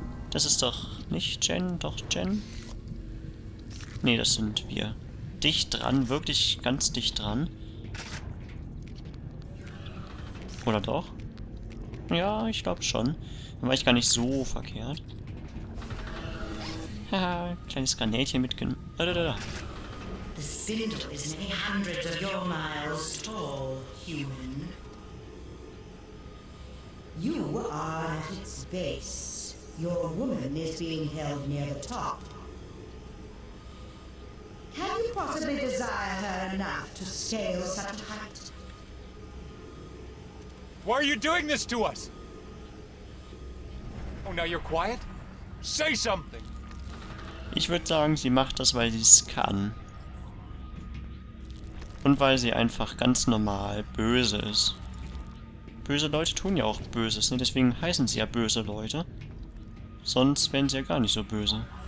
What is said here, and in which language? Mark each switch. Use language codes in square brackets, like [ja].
[de] Das ist doch nicht Jen, doch Jen? Nee, das sind wir. Dicht dran, wirklich ganz dicht dran. Oder doch? Ja, ich glaube schon. Dann war ich gar nicht so verkehrt. Haha, kleines Granätchen mitgenommen. Da. [en] The cylinder is many hundreds of your miles tall, human. You are at its base. Your woman is being held near the top. Can you possibly desire her enough to scale such a height? Why are you doing this to us? Oh, now you're quiet? Say something! [de] Ich würde sagen, sie macht das, weil sie es kann. Und weil sie einfach ganz normal böse ist. Böse Leute tun ja auch Böses, ne? Deswegen heißen sie ja böse Leute. Sonst wären sie ja gar nicht so böse.